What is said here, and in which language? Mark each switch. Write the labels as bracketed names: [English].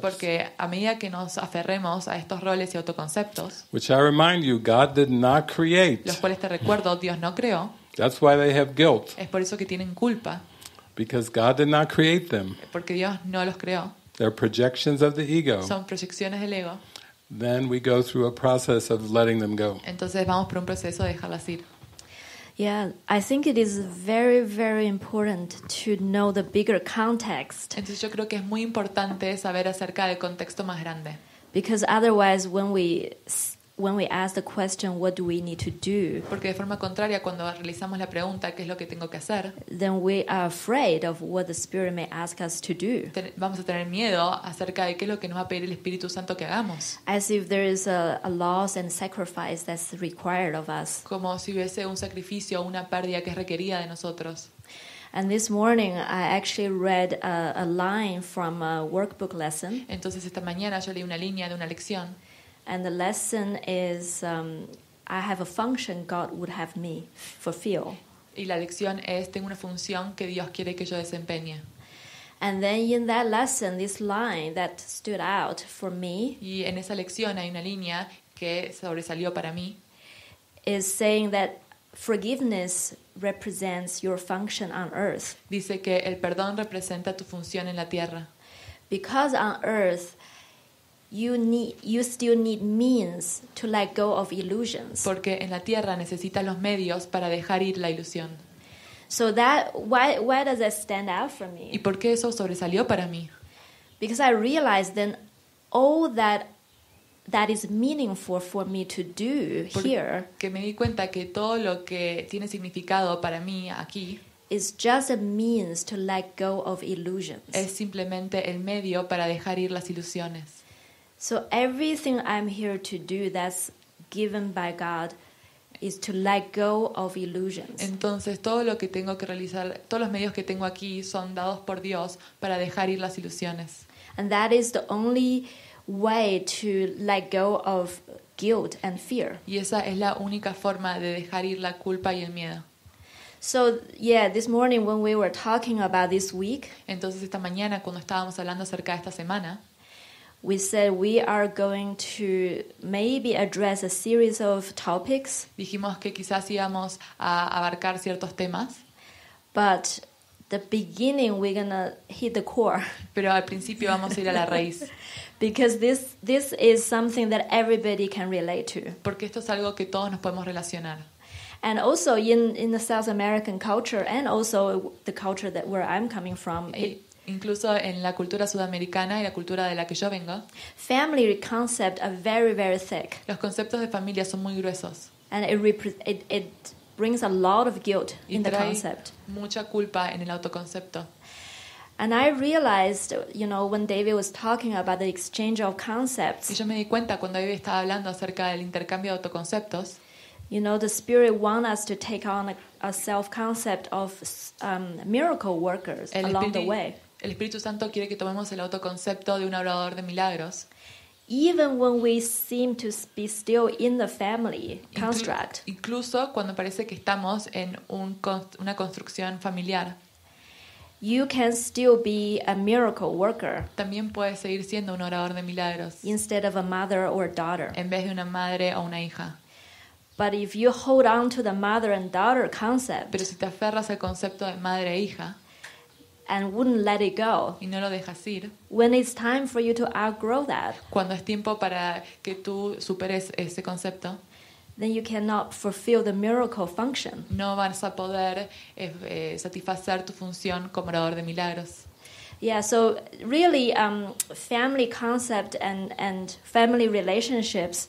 [Spanish] porque a medida que nos aferremos a estos roles y autoconceptos, [English] which I remind you, God did not create. [Spanish] Los cuales te recuerdo, Dios no creó. [English] That's why they have guilt. [Spanish] Es por eso que tienen culpa. [English] Because God did not create them. [Spanish] Porque Dios no los creó. [English] They're projections of the ego. [Spanish] Son proyecciones del ego. [English] Then we go through a process of letting them go. [Spanish] Entonces vamos por un proceso de dejarlas ir. [English] Yeah, I think it is very, very important to know the bigger context. [Spanish] Entonces yo creo que es muy importante saber acerca del contexto más grande. [English] Because otherwise, when we ask the question, what do we need to do? [Spanish] Porque de forma contraria, cuando realizamos la pregunta, ¿qué es lo que tengo que hacer? [English] Then we are afraid of what the Spirit may ask us to do. [Spanish] Vamos a tener miedo acerca de qué es lo que nos va a pedir el Espíritu Santo que hagamos. [English] As if there is a loss and sacrifice that's required of us. [Spanish] Como si hubiese un sacrificio o una pérdida que es requerida de nosotros. [English] And this morning I actually read a line from a workbook lesson. [Spanish] Entonces esta mañana yo leí una línea de una lección. [English] And the lesson is I have a function God would have me fulfill. [Spanish] Y la lección es tengo una función que Dios quiere que yo desempeñe. [English] And then in that lesson this line that stood out for me. [Spanish] Y en esa lección hay una línea que sobresalió para mí. [English] Is saying that forgiveness represents your function on earth. [Spanish] Dice que el perdón representa tu función en la tierra. [English] Because on earth You still need means to let go of illusions. [Spanish] Porque en la tierra necesitas los medios para dejar ir la ilusión. [English] So that why does that stand out for me? [Spanish] ¿Y por qué eso sobresalió para mí? [English] Because I realized then all that is meaningful for me to do here. [Spanish] Porque me di cuenta que todo lo que tiene significado para mí aquí [English] is just a means to let go of illusions. [Spanish] Es simplemente el medio para dejar ir las ilusiones. [English] So everything I'm here to do that's given by God is to let go of illusions. [Spanish] Entonces todo lo que tengo que realizar, todos los medios que tengo aquí son dados por Dios para dejar ir las ilusiones. [English] And that is the only way to let go of guilt and fear. [Spanish] Y esa es la única forma de dejar ir la culpa y el miedo. [English] So yeah, this morning when we were talking about this week, [Spanish] entonces esta mañana cuando estábamos hablando acerca de esta semana, [English] we said we are going to maybe address a series of topics. [Spanish] Dijimos que quizás íbamos a abarcar ciertos temas. [English] But the beginning we're going to hit the core. [Spanish] Pero al principio vamos a ir a la raíz. [English] Because this is something that everybody can relate to. [Spanish] Porque esto es algo que todos nos podemos relacionar. [English] And also in the South American culture and also the culture that where I'm coming from, [Spanish] incluso en la cultura sudamericana y la cultura de la que yo vengo, [English] family concept are very, very thick. [Spanish] Los conceptos de familia son muy gruesos. [English] And it brings a lot of guilt in the concept. [Spanish] Mucha culpa en el autoconcepto. [English] And I realized, you know, when David was talking about the exchange of concepts. [Spanish] Y yo me di cuenta cuando David estaba hablando acerca del intercambio de autoconceptos. [English] You know, the Spirit wants us to take on a self-concept of miracle workers along the way. [Spanish] El Espíritu Santo quiere que tomemos el autoconcepto de un obrador de milagros. [English] Even when we seem to be still in the family construct. [Spanish] Incluso cuando parece que estamos en una construcción familiar. [English] You can still be a miracle worker. [Spanish] También puedes seguir siendo un obrador de milagros. [English] Instead of a mother or a daughter. [Spanish] En vez de una madre o una hija. [English] But if you hold on to the mother and daughter concept. [Spanish] Pero si te aferras al concepto de madre e hija. [English] And wouldn't let it go. [Spanish] Y no lo dejas ir. [English] When it's time for you to outgrow that. [Spanish] Cuando es tiempo para que tú superes ese concepto. [English] Then you cannot fulfill the miracle function. [Spanish] No vas a poder satisfacer tu función como orador de milagros. [English] Yeah, so really family concept and family relationships.